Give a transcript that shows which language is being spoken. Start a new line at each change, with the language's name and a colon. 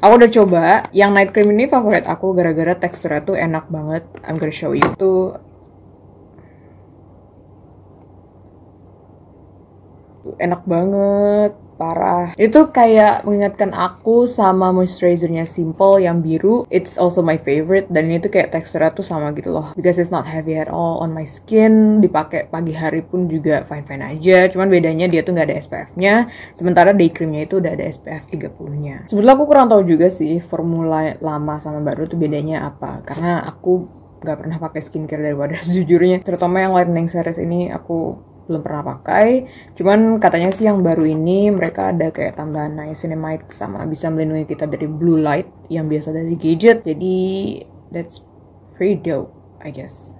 Indonesian: Aku udah coba, yang Night Cream ini favorit aku gara-gara teksturnya tuh enak banget.
English: I'm gonna show you.
Indonesian: Itu enak banget, parah. Itu kayak mengingatkan aku sama moisturizer-nya Simple yang biru.
English: It's also my favorite.
Indonesian: Dan ini tuh kayak teksturnya tuh sama gitu loh.
English: Because it's not heavy at all on my skin.
Indonesian: Dipakai pagi hari pun juga fine-fine aja. Cuman bedanya dia tuh gak ada SPF-nya. Sementara day cream-nya itu udah ada SPF 30-nya. Sebetulnya aku kurang tahu juga sih formula lama sama baru tuh bedanya apa. Karena aku gak pernah pakai skincare dari Wardah sejujurnya. Terutama yang Lightening series ini aku belum pernah pakai, cuman katanya sih yang baru ini mereka ada kayak tambahan niacinamide sama bisa melindungi kita dari blue light yang biasa dari gadget, jadi
English: that's pretty dope, I guess.